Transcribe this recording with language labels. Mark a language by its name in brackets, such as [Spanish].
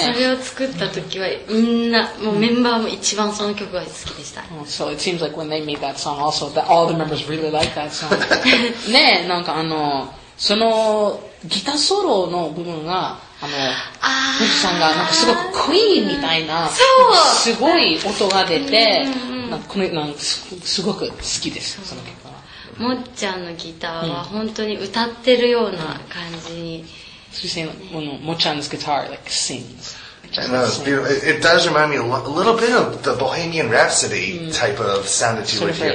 [Japanese] それを作った時はみんな、もうメンバーも一番その曲が好きでした。 [English] So it seems like when they made that song also, that all the members really liked that song. [Japanese] ねえ、なんかそのギターソロの部分が、フジさんがなんかすごくクイーンみたいな、そう、すごい音が出て、なんかこのなんかすごく好きです、その曲。もっちゃんのギターは本当に歌ってるような感じに。 [English] So you're saying, もっちゃんの guitar like sings. It does remind me a little bit of the Bohemian Rhapsody type of sound that you would hear.